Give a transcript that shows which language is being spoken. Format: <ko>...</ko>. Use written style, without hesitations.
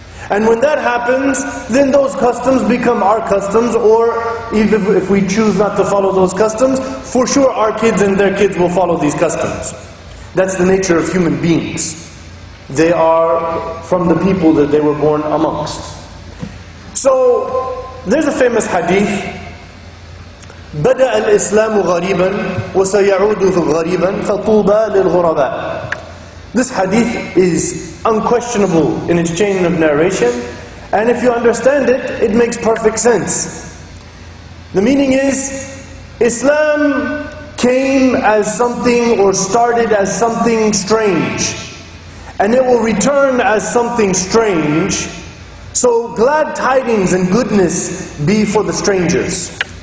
<en>And when that happens, then those customs become our customs, or even if we choose not to follow those customs, for sure our kids and their kids will follow these customs. That's the nature of human beings. They are from the people that they were born amongst. So, there's a famous hadith,</en> <ar>بدأ الإسلام غريبا وسيعود غريبا فطوبى للغرباء.</ar> <en>This hadith is unquestionable in its chain of narration, and if you understand it, it makes perfect sense. The meaning is, Islam came as something or started as something strange, and it will return as something strange, so glad tidings and goodness be for the strangers.</en>